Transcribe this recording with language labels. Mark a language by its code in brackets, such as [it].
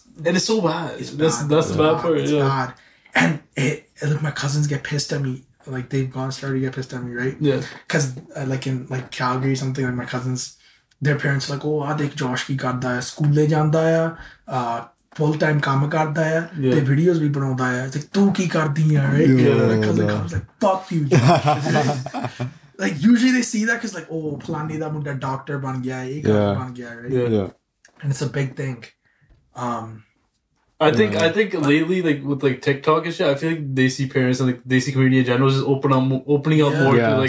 [en] And it's so bad. That's the bad part. And my cousins get pissed at me. Like, they've gone started to get pissed at me, right? Yeah. Because, in Calgary or something, like, my cousins, their parents are like, "Oh, I [pa] ਦੇਖ Josh ਕੀ ਕਰਦਾ ਹੈ, [en] school ਲੈ ਜਾਂਦਾ ਹੈ, full-time ਕੰਮ ਕਰਦਾ ਹੈ, they [pa] videos ਵੀ ਬਣਾਉਂਦਾ ਹੈ." [en] It's like, [pa] "ਤੂੰ ਕੀ ਕਰਦੀ ਹੈ," [en] right? Yeah. My cousin comes like, "Fuck you, Josh." Like, usually they see that because, like, "Oh, [pa] ਪਲਾਣੀ ਦਾ ਮੁੰਡਾ doctor ਬਣ ਗਿਆ ਹੈ, ਬਣ ਗਿਆ," [en] right? Yeah. And it's a big thing. I think lately, like with like TikTok and shit, I feel like Desi parents and like Desi community in general is just opening up more to like